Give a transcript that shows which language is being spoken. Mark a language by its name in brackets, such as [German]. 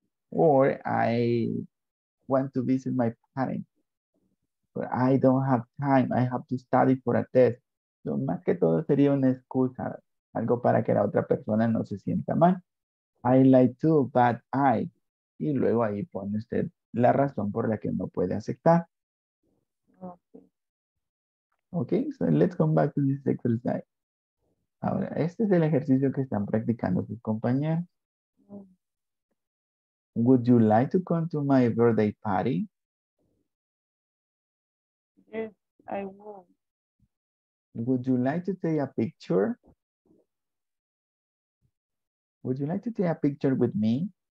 [English] Or I want to visit my parents, but I don't have time. I have to study for a test. [Spanish] So, más que todo sería una excusa, algo para que la otra persona no se sienta mal. [English] I like to, but I. [Spanish] Y luego ahí pone usted la razón por la que no puede aceptar. [English] Okay, so let's come back to this exercise. [Spanish] Ahora, este es el ejercicio que están practicando sus compañeros. [English] Would you like to come to my birthday party? Yes, I would. Would you like to take a picture? Would you like to take a picture with me?